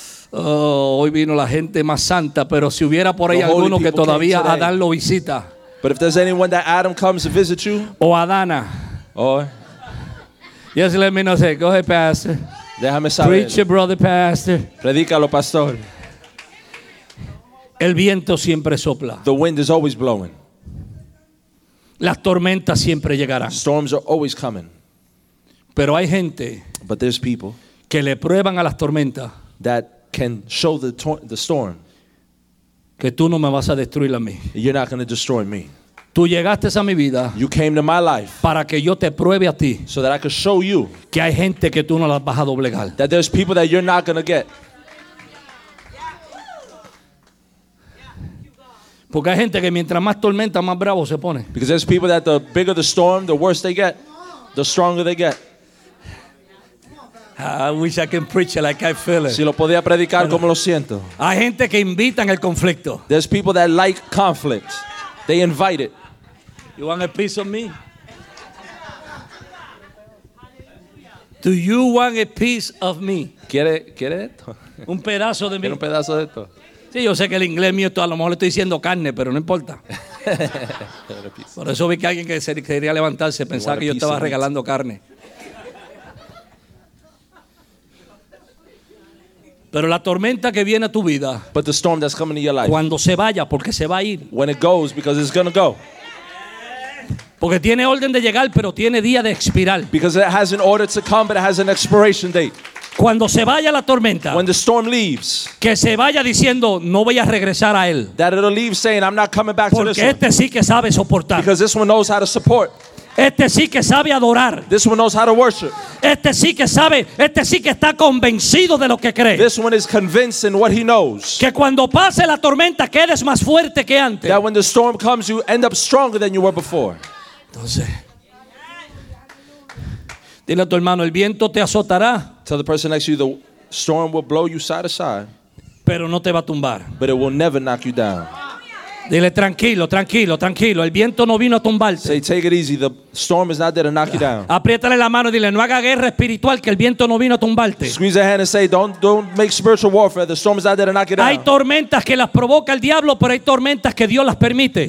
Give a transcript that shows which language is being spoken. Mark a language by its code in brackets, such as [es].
[es] Oh, hoy vino la gente más santa, pero si hubiera por ahí [en] the [es] alguno que todavía Adán lo visita. [en] But if there's anyone that Adam comes to visit you, [es] o Adana, [en] or yes, let me know. Say, go ahead, Pastor. [es] Déjame saber. [en] Preach your brother, Pastor. [es] Predícalo, Pastor. El viento siempre sopla. [en] The wind is always blowing. [es] Las tormentas siempre llegarán. [en] Storms are always coming. [es] Pero hay gente, [en] but there's people [es] que le prueban a las tormentas [en] that can show the storm. [es] Que tú no me vas a destruir a mí. [en] You're not going to destroy me. [es] Tú llegaste a mi vida. [en] You came to my life. [es] Para que yo te pruebe a ti. [en] So that I could show you. [es] Que hay gente que tú no las vas a doblegar. [en] That there's people that you're not going to get. [es] Porque hay gente que mientras más tormenta más bravo se pone. [en] Because there's people that the bigger the storm, the worse they get. The stronger they get. I wish I can preach it like I feel it. [es] Si lo podía predicar bueno, como lo siento. Hay gente que invitan el conflicto. [en] There's people that like conflict. They invite it. You want a piece of me? Do you want a piece of me? [es] ¿Quiere esto? Un pedazo de mí. ¿Quiere un pedazo de esto? Sí, yo sé que el inglés mío esto, a lo mejor le estoy diciendo carne, pero no importa. Por eso vi que alguien que se quería levantarse pensaba que yo estaba regalando carne. Pero la tormenta que viene a tu vida, [en] but the storm that's coming to your life, [es] cuando se vaya, porque se va a ir. [en] When it goes, because it's going to go. [es] Porque tiene orden de llegar, pero tiene día de expirar. [en] Because it has an order to come, but it has an expiration date. [es] Cuando se vaya la tormenta, [en] when the storm leaves, [es] que se vaya diciendo, no voy a regresar a él. [en] That it'll leave saying, I'm not coming back to this [es] one. Porque este sí que sabe soportar. [en] Because this one knows how to support. [es] Este sí que sabe adorar. [en] This one knows how to worship. [es] Este sí que sabe. Este sí que está convencido de lo que cree. [en] This one is convinced in what he knows. [es] Que cuando pase la tormenta quedes más fuerte que antes. [en] That when the storm comes you end up stronger than you were before. [es] Entonces, dile a tu hermano, el viento te azotará. [en] Tell the person next to you, the storm will blow you side to side. [es] Pero no te va a tumbar. [en] But it will never knock you down. [es] Dile tranquilo, tranquilo, tranquilo. El viento no vino a tumbarte. [en] Say, take it easy. The storm is not there to knock you down. [es] Apriétale la mano y dile, no haga guerra espiritual que el viento no vino a tumbarte. [en] Squeeze the hand and say, don't make spiritual warfare. The storm is not there to knock you down. [es] Hay tormentas que las provoca el diablo, pero hay tormentas que Dios las permite.